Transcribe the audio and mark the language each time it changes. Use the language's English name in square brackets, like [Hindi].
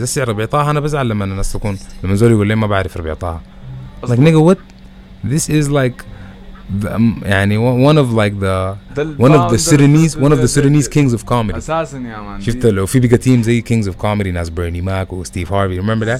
[Arabic] السعر ربيع طاها أنا بزعل لما الناس تكون لما زول يقول لي ما بعرف ربيع طاها. [English] like nigga what this is like. [Arabic] يعني [English] one of like the one of the Sudanese one of the Sudanese kings of comedy [Arabic] اساسا يا مان شفت لو في بيجا تيم زي kings of comedy ناس برني ماك وستيف هارفي [English] remember that